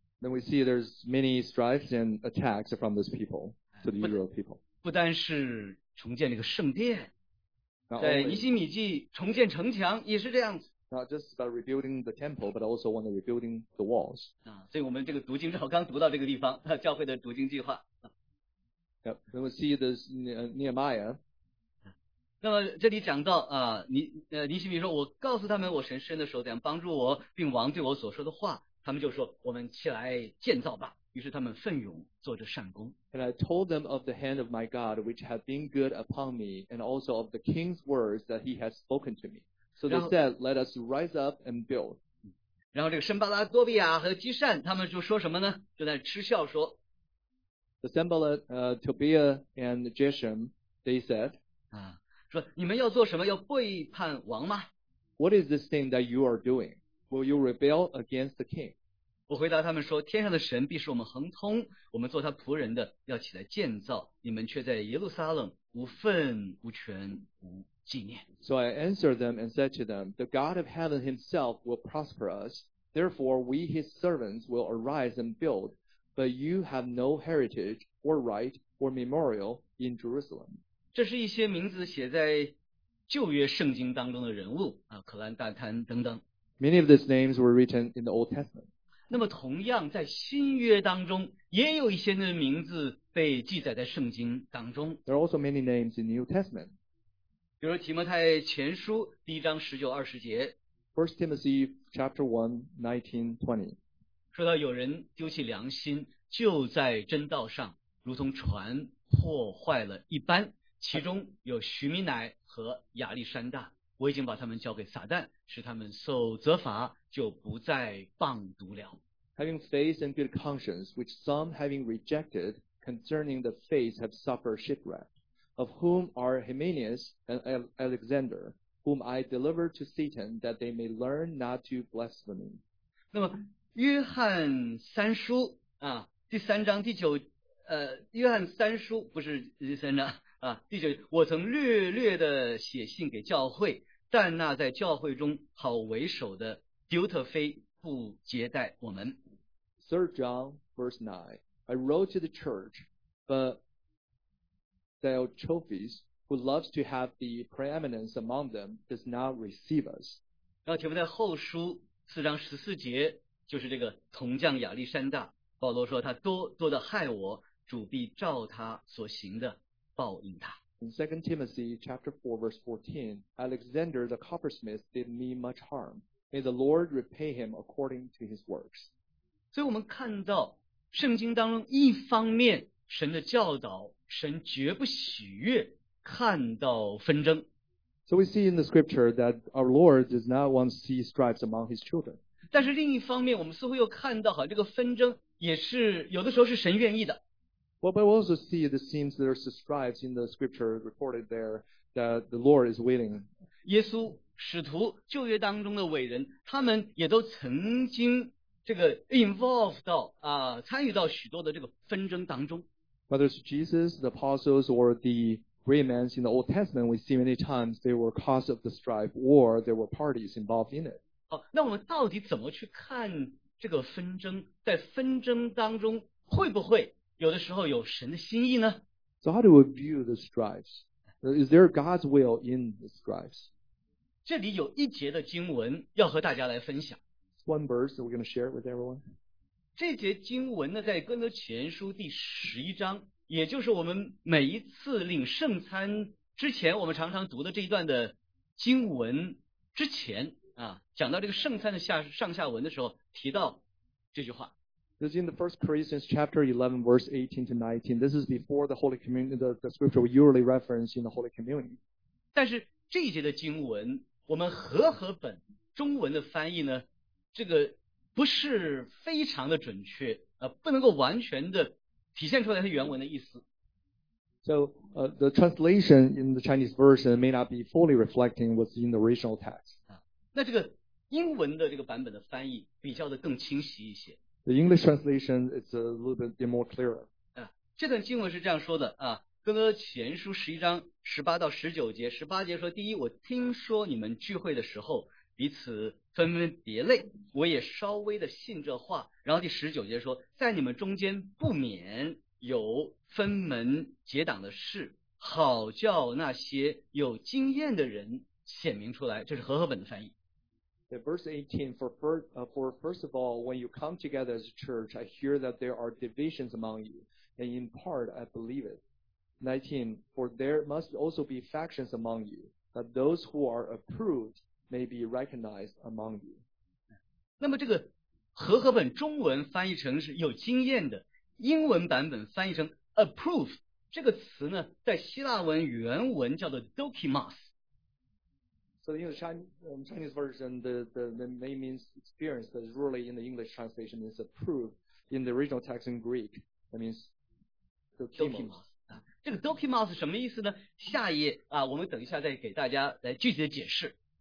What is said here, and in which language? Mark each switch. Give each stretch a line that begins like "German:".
English: Then we see there's many strifes and attacks from those people, to the Israel people.
Chinese: 不单是重建这个圣殿，
English: only,
Chinese: 在尼希米记重建城墙也是这样子。
English: Not just about rebuilding the temple, but also when they're rebuilding the walls.
Chinese: 所以我们这个读经正好刚读到这个地方，教会的读经计划。
English: Yep, then we see this Nehemiah.
Chinese: 那么这里讲到尼希米说，我告诉他们我神伸的手怎样帮助我，并王对我所说的话，他们就说我们起来建造吧。于是他们奋勇做着善工。
English: And I told them of the hand of my God which had been good upon me, and also of the king's words that he had spoken to me. So they said, let us rise up and build.
Chinese: 然后这个申巴拉、多比亚和基善他们就说什么呢？就在嗤笑说。
English: The Sembalat, Tobiah and Geshem, they said,
Chinese: 说你们要做什么？要背叛王吗？
English: What is this thing that you are doing? Will you rebel against the king?
Chinese: 我回答他们说，天上的神必是我们恒通，我们做他仆人的要起来建造，你们却在耶路撒冷无份无权无纪念。
English: So I answered them and said to them, The God of heaven himself will prosper us, therefore we his servants will arise and build, but you have no heritage or right or memorial in Jerusalem.
Chinese: 这是一些名字写在旧约圣经当中的人物啊，可兰大贪等等。
English: Many of these names were written in the Old Testament.
Chinese: 那么同样在新约当中也有一些的名字被记载在圣经当中。
English: There are also many names in the New Testament.
Chinese: 比如提摩太前书第一章十九二十节。
English: First Timothy chapter 1:19-20.
Chinese: 说到有人丢弃良心，就在真道上，如同船破坏了一般。其中有徐米乃和亚历山大，我已经把他们交给撒旦，使他们受责罚，就不再谤读了。
English: Having faith and good conscience, which some having rejected concerning the faith have suffered shipwreck, of whom are Hymenaeus and Alexander, whom I delivered to Satan that they may learn not to blaspheme.
Chinese: 那么约翰三书啊，第三章第九约翰三书不是第三章。啊，第九，我曾略略的写信给教会，但那在教会中好为首的丢特非不接待我们。
English: Third John verse 9, I wrote to the church, but Diotrephes, who loves to have the preeminence among them, does not receive us.
Chinese: 然后提摩太后书四章十四节，就是这个铜匠亚历山大，保罗说他多多的害我，主必照他所行的。
English: In 2 Timothy chapter 4 verse 14, Alexander the coppersmith did me much harm. May the Lord repay him according to his works.
Chinese: 所以我们看到圣经当中一方面神的教导，神绝不喜悦看到纷争。
English: So we see in the scripture that our Lord does not want to see stripes among his children.
Chinese: 但是另一方面我们似乎又看到好这个纷争也是有的时候是神愿意的。
English: Well, but we also see it seems there are stripes in the scripture recorded there that the Lord is willing.
Chinese: 耶稣、使徒、旧约当中的伟人，他们也都曾经这个 involve 到啊，参与到许多的这个纷争当中。
English: Whether it's Jesus, the apostles, or the great men in the Old Testament, we see many times they were cause of the strife or there were parties involved in it.
Chinese: 好，那我们到底怎么去看这个纷争？在纷争当中会不会？有的时候有神的心意呢
English: So how do we view the stripes? Is there God's will in the stripes?
Chinese: 这里有一节的经文要和大家来分享
English: One verse that we're going to share with everyone
Chinese: 这节经文呢在哥林多前书第十一章也就是我们每一次领圣餐之前我们常常读的这一段的经文之前啊，讲到这个圣餐的下上下文的时候提到这句话
English: This is in the 1 Corinthians chapter 11, verse 18 to 19. This is before the Holy Communion, the scripture we usually reference in the Holy Communion.
Chinese: 但是这一节的经文，我们和合本中文的翻译呢，这个不是非常的准确，不能够完全的体现出来它原文的意思。
English: So, the translation in the Chinese version may not be fully reflecting what's in the original text.
Chinese: 那这个英文的这个版本的翻译比较的更清晰一些。
English: The English translation is a little bit more clearer.
Chinese: 这段经文是这样说的啊，哥哥前书十一章十八到十九节，十八节说：第一，我听说你们聚会的时候彼此分门别类，我也稍微的信这话。然后第十九节说，在你们中间不免有分门结党的事，好叫那些有经验的人显明出来。这是和合本的翻译。
English: Verse 18, for first of all, when you come together as a church, I hear that there are divisions among you, and in part I believe it. 19, for there must also be factions among you, that those who are approved may be recognized among you.
Chinese: 那么这个和合本中文翻译成是有经验的，英文版本翻译成 approve, 这个词呢，在希腊文原文叫做 dokimos。
English: So in the Chinese version, the name means experience, but really in the English translation is approved. In the original text in Greek, that means dokimos.
Chinese: 这个 dokimos 什么意思呢？下一页我们等一下再给大家来具体的解释。